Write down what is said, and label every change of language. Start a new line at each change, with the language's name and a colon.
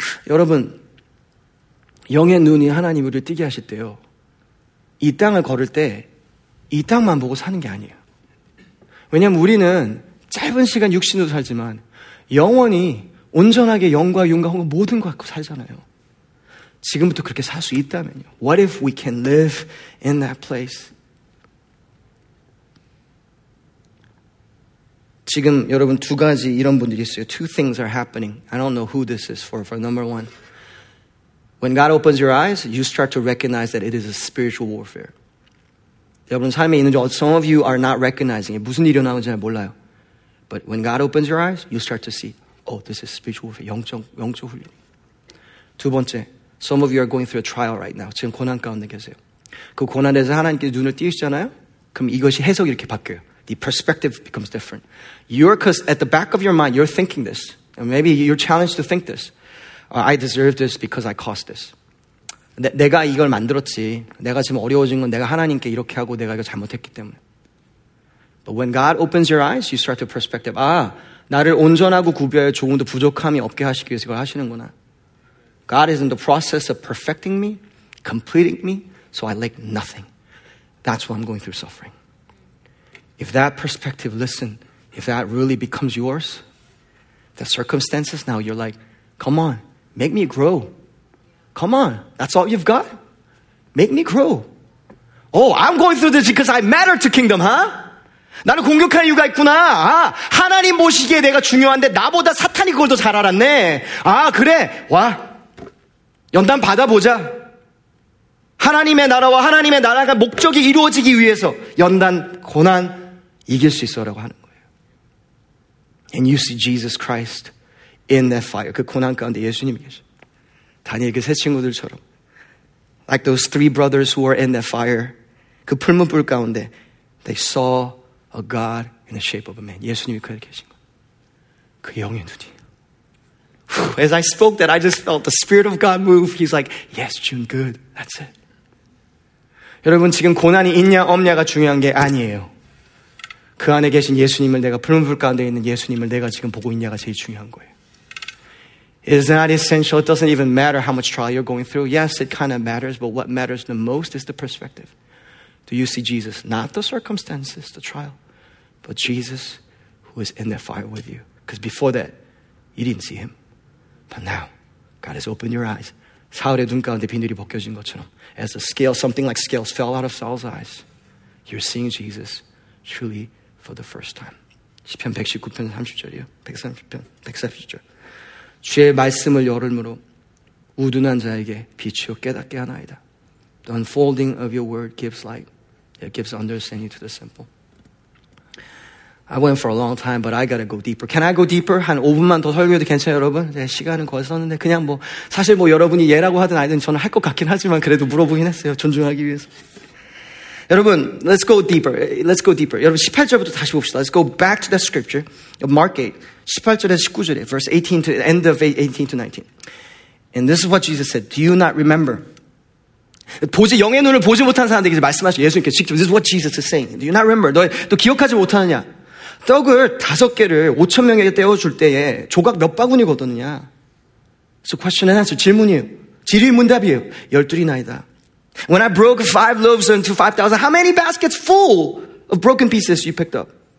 Korean: 여러분, 영의 눈이 하나님 우리를 뜨게 하실 때요, 이 땅을 걸을 때 이 땅만 보고 사는 게 아니에요. 왜냐하면 우리는 짧은 시간 육신으로 살지만 영원히 온전하게 영과 윤과 홍과 모든 것 갖고 살잖아요. 지금부터 그렇게 살 수 있다면요.
English: What if we can live in that place?
Korean: 지금 여러분 두 가지 이런 분들이 있어요.
English: Two things are happening. I don't know who this is for. Number one, when God opens your eyes, you start to recognize that it is a spiritual warfare.
Korean: 여러분 삶에 있는 줄,
English: some of you are not recognizing it.
Korean: 무슨 일이 일어나는지 잘 몰라요.
English: But when God opens your eyes, you start to see, oh, this is spiritual warfare.
Korean: 영적 훈련. 두 번째,
English: some of you are going through a trial right now.
Korean: 지금 고난 가운데 계세요. 그 고난에서 하나님께서 눈을 띄우시잖아요. 그럼 이것이 해석이 이렇게 바뀌어요.
English: The perspective becomes different. Because at the back of your mind, you're thinking this. And maybe you're challenged to think this. I deserve this because I caused this.
Korean: 내가 이걸 만들었지. 내가 지금 어려워진 건 내가 하나님께 이렇게 하고 내가 이거 잘못했기 때문에.
English: But when God opens your eyes, you start to perspective.
Korean: 아, 나를 온전하고 구별해 조금도 부족함이 없게 하시기 위해서 이걸 하시는구나.
English: God is in the process of perfecting me, completing me, so I lack nothing. That's why I'm going through suffering. If that perspective, listen, if that really becomes yours, the circumstances, now you're like, come on, make me grow. Come on, that's all you've got? Make me grow. Oh, I'm going through this because I matter to kingdom, huh?
Korean: 나는 공격할 이유가 있구나. 아, 하나님 보시기에 내가 중요한데 나보다 사탄이 그걸 더 잘 알았네. 아, 그래. 와, 연단 받아보자. 하나님의 나라와 하나님의 나라가 목적이 이루어지기 위해서 연단, 고난 이길 수 있어라고 하는 거예요.
English: And you see Jesus Christ in that fire.
Korean: 그 고난 가운데 예수님이 계셔. 다니엘 그 세 친구들처럼.
English: Like those three brothers who were in that fire.
Korean: 그 풀무불 가운데
English: they saw a God in the shape of a man.
Korean: 예수님이 그 안에 계신 거예요. 그 영의 눈이.
English: As I spoke that, I just felt the Spirit of God move. He's like, yes, June, good. That's it.
Korean: 여러분, 지금 고난이 있냐 없냐가 중요한 게 아니에요. 그 안에 계신 예수님을 내가, 푸른 불 가운데 있는 예수님을 내가 지금 보고 있냐가 제일 중요한 거예요.
English: It's not essential. It doesn't even matter how much trial you're going through. Yes, it kind of matters, but what matters the most is the perspective. Do you see Jesus? Not the circumstances, the trial, but Jesus who is in the fire with you. Because before that, you didn't see him. But now, God has opened your eyes.
Korean: 사울의 눈 가운데 비늘이 벗겨진 것처럼
English: as the scale, something like scales fell out of Saul's eyes, you're seeing Jesus truly for the first time.
Korean: 시편 119편 30절이요. 130편 140절. 주의 말씀을 열음으로 우둔한 자에게 비추어 깨닫게 하나이다.
English: The unfolding of your word gives light. It gives understanding to the simple. I went for a long time, but I gotta go deeper. Can I go deeper?
Korean: 한 5분만 더 설교해도 괜찮아요, 여러분? 네, 시간은 거의 썼는데 그냥 뭐 사실 뭐 여러분이 예라고 하든 아니든 저는 할 것 같긴 하지만 그래도 물어보긴 했어요. 존중하기 위해서. 여러분,
English: let's go deeper. Let's go deeper.
Korean: 여러분, 18절부터 다시 봅시다.
English: Let's go back to that scripture of Mark 8.
Korean: 18절에서 19절에,
English: verse 18 to end of 18 to 19. And this is what Jesus said. Do you not remember?
Korean: 보지, 영의 눈을 보지 못한 사람들에게 말씀하시죠. 예수님께서 직접.
English: This is what Jesus is saying. Do you not remember?
Korean: 너 기억하지 못하느냐? 떡을 다섯 개를 5,000명에게 떼어줄 때에 조각 몇 바구니 거뒀느냐?
English: So question and answer.
Korean: 질문이에요. 질의문답이에요. 열두리나이다.
English: When I broke five loaves into 5,000, how many baskets full of broken pieces you picked up?